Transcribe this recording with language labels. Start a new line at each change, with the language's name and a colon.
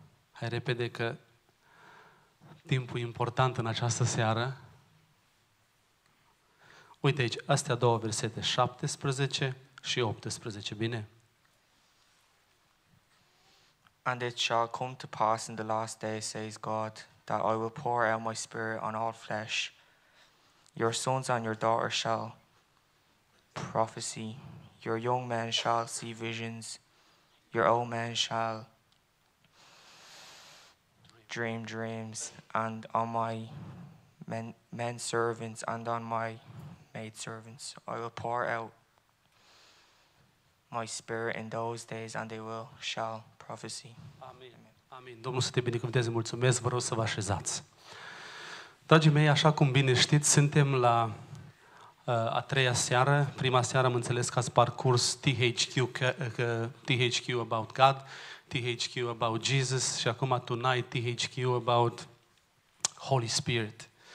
Romanian: Hai repede că timpul e important în această seară. Uite aici, astea două versete, 17 și 18, bine?
English: And it shall come to pass in the last day, says God, that I will pour out my spirit on all flesh. Your sons and your daughters shall prophesy. Your young men shall see visions. Your old men shall dream dreams. And on my men servants and on my made servants, I will pour out my spirit in those days and they will shall prophesy.
Romanian: Amin. Amin. Domnul să te binecuvânteze, mulțumesc, vă rog să vă așezați. Dragii mei, așa cum bine știți, suntem la a treia seară. Prima seară am înțeles că ați parcurs
English: THQ about God, THQ about Jesus
Romanian: și acum
English: tonight THQ about Holy Spirit.